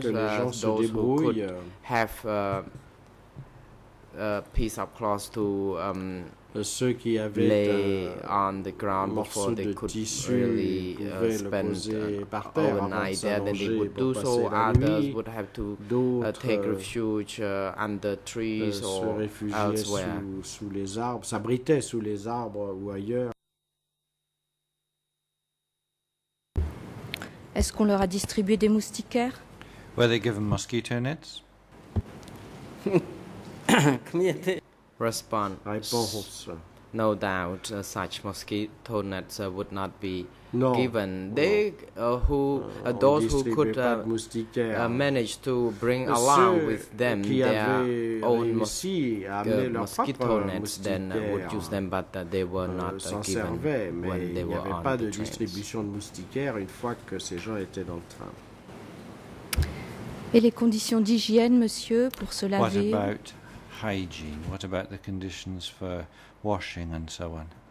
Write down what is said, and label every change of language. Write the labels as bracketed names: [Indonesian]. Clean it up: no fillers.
[English] Those who could have a piece of cloth to [French] ceux qui avaient [English] lay on the ground before they could really spend overnight there, then they would do so. Others would have to take refuge under trees or elsewhere. [French] Sous les arbres, s'abritaient sous les arbres ou ailleurs. Est-ce qu'on leur a distribué des moustiquaires? [English] Were they given mosquito nets? Response. No doubt such mosquito nets would not be given. They who those who could manage to bring along with them their own mosquito nets then would use them, but they were not given when they were on the [French] distribution de moustiquaires une fois que ces gens étaient dans le train. Et les conditions d'hygiène, monsieur, pour se laver? [English] What about hygiene? What about the conditions for washing and so on?